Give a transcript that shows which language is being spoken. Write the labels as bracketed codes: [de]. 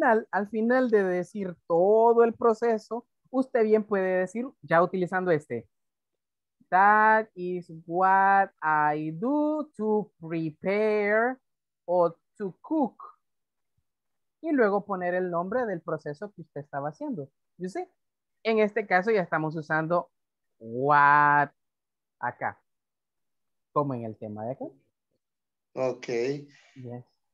[es] Al final de decir todo el proceso, usted bien puede decir ya utilizando este. [en] That is what I do to prepare or to cook. [es] Y luego poner el nombre del proceso que usted estaba haciendo. [en] You see? [es] En este caso ya estamos usando what acá. Como en el tema de acá. [en] Ok. Yes.